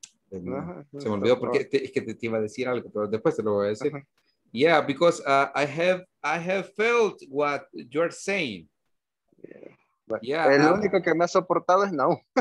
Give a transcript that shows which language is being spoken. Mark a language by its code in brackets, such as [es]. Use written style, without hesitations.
[es] Se me olvidó porque es que te iba a decir algo, pero después te lo voy a decir. Uh-huh. [en] Yeah, because I have felt what you're saying. Yeah. Yeah. [es] El único que me ha soportado es Nau.